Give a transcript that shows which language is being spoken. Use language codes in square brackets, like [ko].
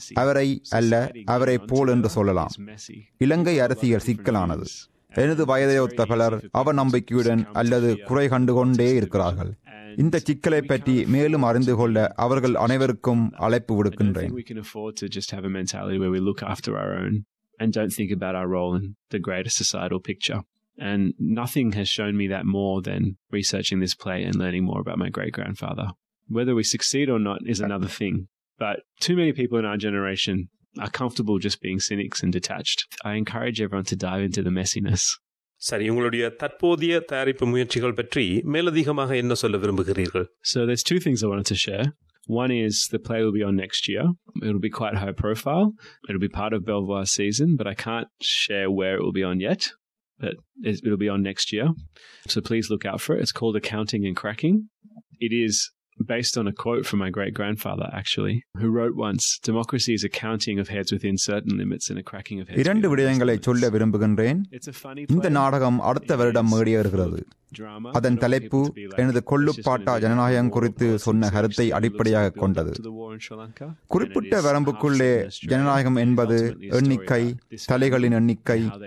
[ta] அவரை அல்ல, அவரை போல் என்று சொல்லலாம். இலங்கை அரசியல் சிக்கலானது. எனது வயதையொத்த பலர் அவநம்பிக்கையுடன் அல்லது குறை கண்டுகொண்டே இருக்கிறார்கள். இந்த சிக்கலை பற்றி மேலும் அறிந்து கொள்ள அவர்கள் அனைவருக்கும் அழைப்பு விடுக்கின்றேன். [en] And don't think about our role in the greater societal picture. And nothing has shown me that more than researching this play and learning more about my great-grandfather. Whether we succeed or not is another thing. But too many people in our generation are comfortable just being cynics and detached. I encourage everyone to dive into the messiness. சரி, உங்களுடைய தற்போதைய தயாரிப்பு முயற்சிகள் பற்றி மேலதிகமாக என்ன சொல்ல விரும்புகிறீர்கள்? So there's two things I wanted to share. One is the play will be on next year. It'll be quite high profile. It'll be part of Belvoir season, but I can't share where it will be on yet. But it'll be on next year. So please look out for it. It's called Accounting and Cracking. It is based on a quote from my great-grandfather, actually, who wrote once, "Democracy is a counting of heads within certain limits and a cracking of heads within certain limits." [ta] இரண்டு விடயங்களை சொல்ல விரும்புகின்றேன். இந்த நாடகம் அடுத்த வருடம் மேடை ஏறுகிறது. அதன் தலைப்பு எனது கொல்லுப்பாட்டா ஜனநாயகம் குறித்து சொன்ன கருத்தை அடிப்படையாக கொண்டது. குறிப்பிட்ட வரம்புக்குள்ளே ஜனநாயகம் என்பது எண்ணிக்கை, தலைகளின் எண்ணிக்கை.